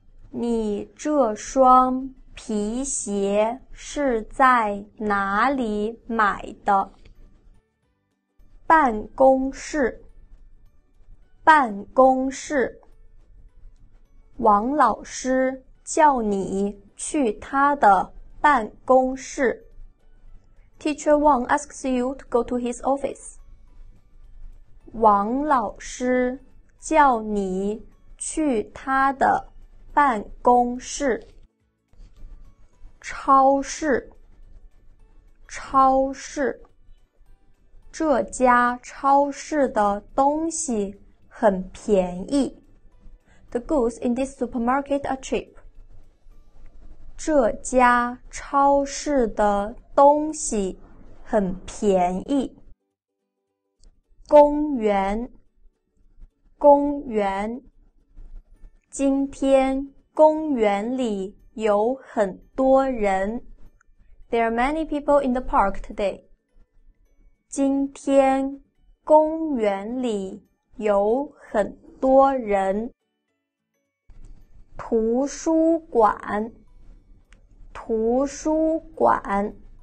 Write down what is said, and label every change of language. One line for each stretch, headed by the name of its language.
Chinese: 你这双皮鞋是在哪里买的？办公室，办公室，王老师叫你去他的办公室。
English: Teacher Wang asks you to go to his office.
Chinese: 王老师叫你去他的办公室。超市，超市，这家超市的东西很便宜。
English: The goods in this supermarket are cheap.
Chinese: 这家超市的东西很便宜。公园，公园，今天公园里有很多人。
English: There are many people in the park today.
Chinese: 今天公园里有很多人。图书馆，图书馆，